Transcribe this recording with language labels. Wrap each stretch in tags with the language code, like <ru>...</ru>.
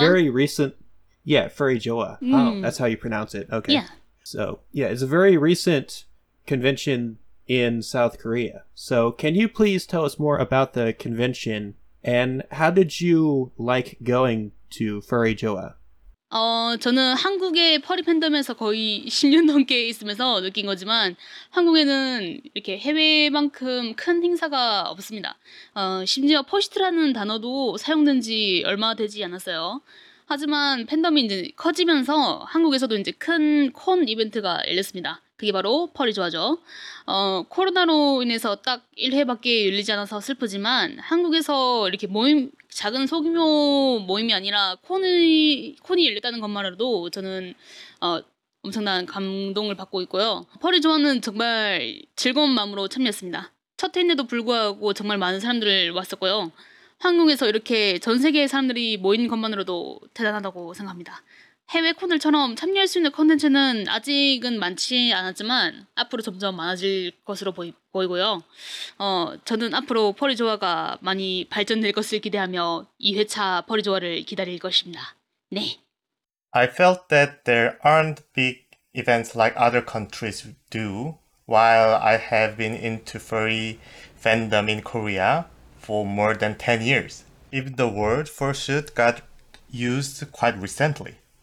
<en>Very recent... Yeah, Furry Joa. Mm. Oh, that's how you pronounce it. Okay. Yeah. So, yeah, it's a very recent convention in South Korea. So, can you please tell us more about the convention and how did you like going to Furry Joa?</en> <ko>저는 한국의 퍼리 팬덤에서 거의 10년 넘게 있으면서 느낀 거지만 한국에는 이렇게 해외만큼 큰 행사가 없습니다. 심지어 퍼시트라는 단어도 사용된 지 얼마 되지 않았어요. 하지만 팬덤이 이제 커지면서 한국에서도 이제 큰 콘 이벤트가 열렸습니다. 그게 바로 펄이 좋아죠. 코로나로 인해서 딱 1회밖에 열리지 않아서 슬프지만 한국에서 이렇게 모임 작은 소규모 모임이 아니라 콘이 열렸다는 것만으로도 저는 엄청난 감동을 받고 있고요. 펄이 좋아는 정말 즐거운 마음으로 참여했습니다. 첫 회인데도 불구하고 정말 많은 사람들을 왔었고요. 한국에서 이렇게 전 세계의 사람들이 모인 것만으로도 대단하다고 생각합니다. 해외 콘들처럼 참여할 수 있는 콘텐츠는 아직은 많지 않았지만 앞으로 점점 많아질 것으로 보이고요. 저는 앞으로 펄이 조화가 많이 발전될 것을 기대하며 2회차 펄이 조화를 기다릴 것입니다. 네.</ko> <en>I felt that there aren't big events like other countries do. While I have been into furry fandom in Korea for more than 10 years, even the word fursuit got used quite recently.</en>